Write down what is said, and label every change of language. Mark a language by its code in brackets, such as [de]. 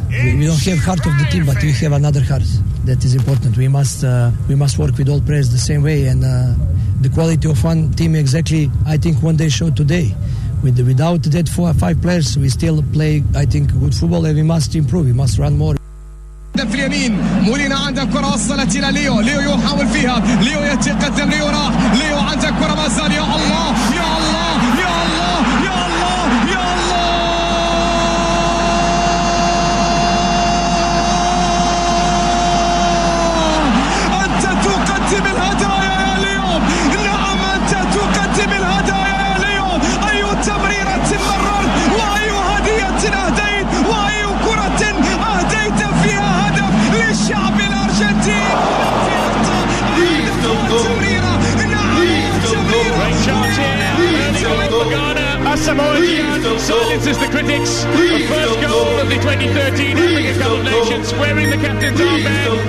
[en] We don't have heart of the team, but we have another heart. That is important. We must work with all players the same way. And the quality of one team, exactly, I think, one day showed today. Without that four or five players, we still play, I think, good football, and we must improve. We must run more. [ar] في اليمين مولينا عنده الكرة وصلت إلى ليو ليو يحاول فيها ليو يأتي قدم ليو راح ليو عنده الكرة ما زال يا الله يا الله يا الله يا الله يا الله أنت تقدم الهدايا يا ليو نعم أنت تقدم الهدايا يا ليو أي تمريرة مررت وأي هدية أهديت وأي كرة أهديت فيها الشعب الأرجنتيني [en] silences the critics. The first goal of the 2013 African Cup of Nations, wearing the captain's armband.